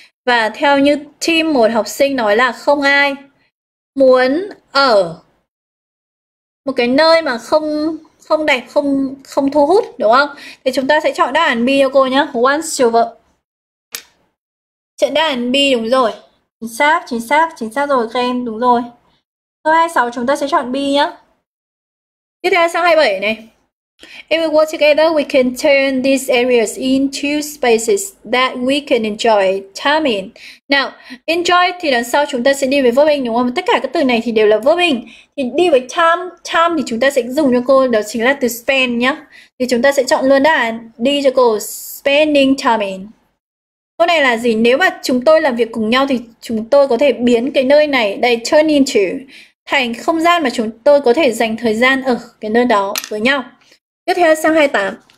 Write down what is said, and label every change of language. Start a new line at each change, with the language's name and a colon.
Vietnamese: Và theo như team một học sinh nói là không ai muốn ở một cái nơi mà không không đẹp, không không thu hút đúng không? Thì chúng ta sẽ chọn đáp án B cho cô nhé. Once vợ. Chọn đáp án B đúng rồi. Chính xác rồi các em, đúng rồi. Câu 26 chúng ta sẽ chọn B nhé. Tiếp theo sang 27 này.
English: If we work together, we can turn these areas into spaces that we can enjoy time in.
Vietnamese: Now, enjoy thì đằng sau chúng ta sẽ đi với verb in đúng không? Tất cả các từ này thì đều là verb in. Thì đi với time, time thì chúng ta sẽ dùng cho cô đó chính là từ spend nhá. Thì chúng ta sẽ chọn luôn đáp án đi cho cô
English: spending time in.
Vietnamese: Câu này là gì? Nếu mà chúng tôi làm việc cùng nhau thì chúng tôi có thể biến cái nơi này đây turn into thành không gian mà chúng tôi có thể dành thời gian ở cái nơi đó với nhau. Tiếp theo sang 28.